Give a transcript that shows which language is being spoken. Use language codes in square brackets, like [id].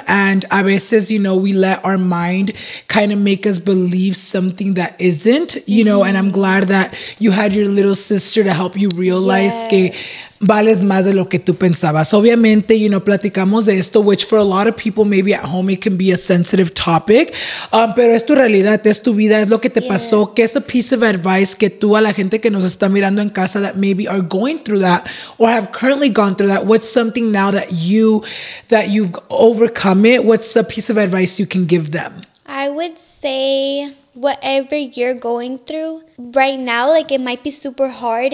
[en] And [es] a veces, [en] you know, we let our mind kind of make us believe something that isn't, you know, and I'm glad that you had your little sister to help you realize [es] vales más de lo que tú pensabas. [en] Obviamente, you know, [es] platicamos de esto, [en] which for a lot of people, maybe at home, it can be a sensitive topic. [es] Pero es tu realidad, es tu vida, es lo que te pasó. ¿Qué es [en] a piece of advice [es] que tú a la gente que nos está mirando en casa [en] that maybe are going through that or have currently gone through that? What's something now that you've overcome it? What's a piece of advice you can give them? I would say, whatever you're going through right now, like, it might be super hard.